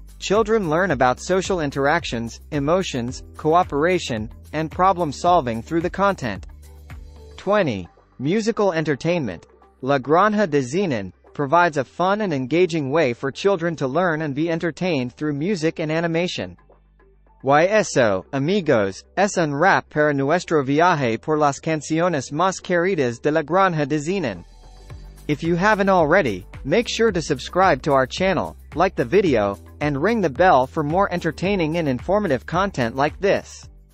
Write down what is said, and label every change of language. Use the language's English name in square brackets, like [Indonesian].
[English] Children learn about social interactions, emotions, cooperation, and problem-solving through the content. 20. Musical entertainment. La Granja de Zenón provides a fun and engaging way for children to learn and be entertained through music and animation. [Spanish] Y eso, amigos, es un rap para nuestro viaje por las canciones más queridas de La Granja de Zenón. [English] If you haven't already, make sure to subscribe to our channel, like the video, and ring the bell for more entertaining and informative content like this.